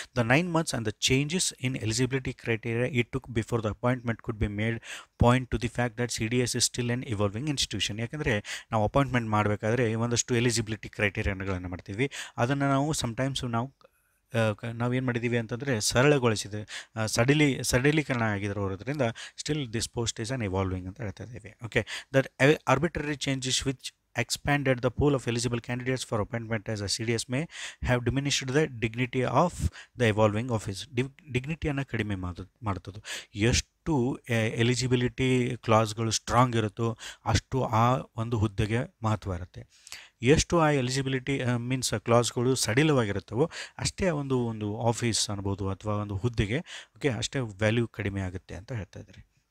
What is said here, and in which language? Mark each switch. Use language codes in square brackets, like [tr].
[en] The 9 months and the changes in eligibility criteria it took before the appointment could be made point to the fact that C D S is still an evolving institution. [kn] ಯಾಕಂದರೆ ನಾವು appointment ಮಾಡಬೇಕಾದ್ರೆ ಒಂದಷ್ಟು eligibility ಕ್ರೈಟೇರಿಯನ್ಗಳನ್ನು ಮಾಡ್ತೀವಿ, ಅದನ್ನು ನಾವು sometimes ನಾವೇನು ಮಾಡಿದ್ದೀವಿ ಅಂತಂದರೆ ಸರಳಗೊಳಿಸಿದೆ, ಸಡಿಲೀಕರಣ ಆಗಿರೋದ್ರಿಂದ [en] still this post is on evolving [kn] ಅಂತ ಹೇಳ್ತಾ ಇದ್ದೀವಿ. [en] Okay, that arbitrary changes which expanded the pool of eligible candidates for appointment as a CDS may have diminished the dignity of the evolving office. [kn] Dignity ana kadime madutadu ಎಷ್ಟು eligibility ಕ್ಲಾಸ್ಗಳು strong ಇರುತ್ತೋ ಅಷ್ಟು ಆ ಒಂದು ಹುದ್ದೆಗೆ ಮಹತ್ವ ಇರುತ್ತೆ. ಎಷ್ಟು ಆ ಎಲಿಜಿಬಿಲಿಟಿ ಮೀನ್ಸ್ ಕ್ಲಾಸ್ಗಳು ಸಡಿಲವಾಗಿರುತ್ತವೋ ಅಷ್ಟೇ ಒಂದು ಆಫೀಸ್ ಅನ್ಬೋದು ಅಥವಾ ಒಂದು ಹುದ್ದೆಗೆ ಓಕೆ ಅಷ್ಟೇ ವ್ಯಾಲ್ಯೂ ಕಡಿಮೆ ಆಗುತ್ತೆ ಅಂತ ಹೇಳ್ತಾ ಇದ್ದಾರೆ.